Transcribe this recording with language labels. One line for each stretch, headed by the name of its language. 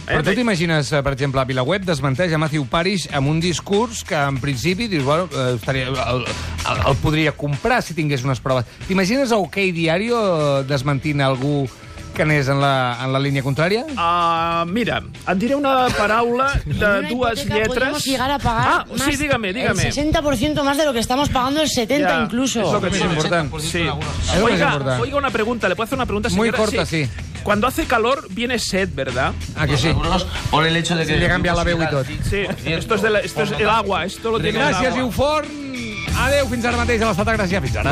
Catalan: Però tu t'imagines, per exemple, VilaWeb desmenteix a Matthew Paris amb un discurs que, en principi, dius, bueno, estaria, el podria comprar si tingués unes proves. T'imagines a OK Diario desmentint algú que anés en la línia contrària? Mira, et diré una paraula de dues lletres.
Spanish: Podríamos llegar a pagar más, sí, dígame. El 60% más de lo que estamos pagando, el 70% ja, incluso.
Catalan: És lo que es important. Sí.
Spanish: Oiga, una pregunta, ¿le puedo hacer una pregunta, señora? Muy corta, sí. Cuando hace calor, viene sed, ¿verdad? Ah, que sí. Por el hecho de que... Le cambia la
Catalan: veu i tot.
Spanish: Sí, esto es, de la, esto es el agua, esto lo tiene gracias, el agua.
Catalan: Gràcies, Iuforn! Adéu, fins ara mateix, a l'estat de Gràcia. Fins ara.